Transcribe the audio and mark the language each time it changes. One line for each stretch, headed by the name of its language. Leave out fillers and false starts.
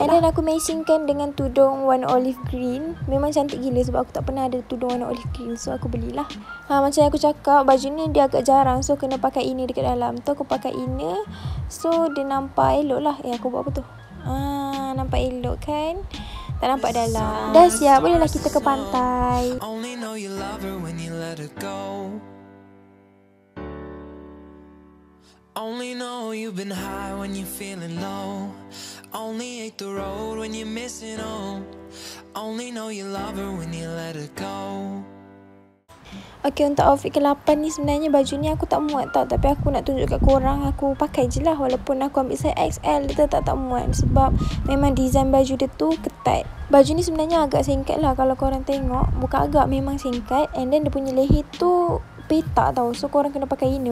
Malay: And then aku matchingkan dengan tudung warna olive green. Memang cantik gila sebab aku tak pernah ada tudung warna olive green, so aku belilah. Ha, macam aku cakap, baju ni dia agak jarang, so kena pakai inner dekat dalam. Tu aku pakai inner, so dia nampak elok lah. Eh, aku buat apa tu? Nampak elok kan? Tak nampak dalam. Dah siap, bolehlah kita ke pantai.
English: Only know you love her when you let her go. Only know you've been high when you're feeling low. Only hate the road when you're missing home. Only know you love her when you let her go.
Malay: Okay, untuk outfit ke-8 ni sebenarnya baju ni aku tak muat tau. Tapi aku nak tunjuk kat korang, aku pakai je lah. Walaupun aku ambil size XL, dia tak muat. Sebab memang design baju dia tu ketat. Baju ni sebenarnya agak singkat lah kalau korang tengok. Bukan agak, memang singkat. And then dia punya leher tu petak tau. So korang kena pakai inner.